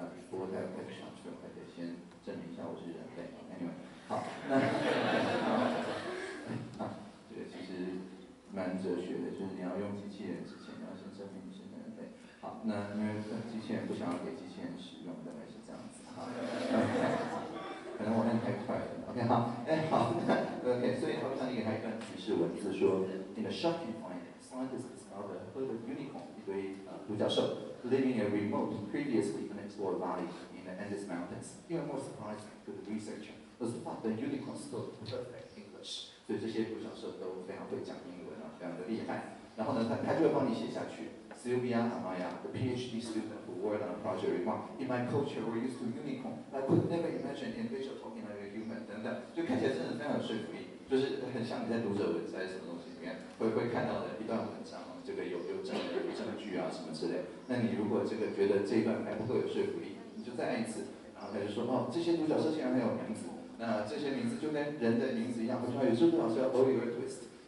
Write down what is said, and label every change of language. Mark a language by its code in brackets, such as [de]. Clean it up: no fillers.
[zh] 不过大家快上去，快点先证明一下我是人类。 Anyway， 好，那这个其实蛮哲学的，就是你要用机器人之前，你要先证明你是人类。好，那因为机器人不想要给机器人使用，大概是这样子。好，可能我念太快了。 OK， 好，好 ，OK， 所以我想给他一段提示文字，说 [en] In a shocking find, scientists discovered a herd of unicorn， [zh] 一堆独角兽。 [en] Living a remote, previously unexplored valley in the Andes Mountains. Even more surprising to the researcher was the fact that unicorns spoke perfect English. [zh] 所以这些独角兽都非常会讲英文啊，非常的厉害。然后呢，他就会帮你写下去。 [en] Sylvia Amaya, the PhD student who worked on a project, remarked, "In my culture, we're used to unicorn. I could never imagine an individual talking like a human." [zh] 等等，就看起来真的非常有说服力，就是很像你在读者文摘什么东西里面会看到的一段文章。这个有证的有证据啊什么之类，那你如果这个觉得这一段还不够有说服力，你就再按一次，然后他就说哦，这些独角兽竟然没有名字，那这些名字就跟人的名字一样，不错，有时候独角兽要 Oliver Twist，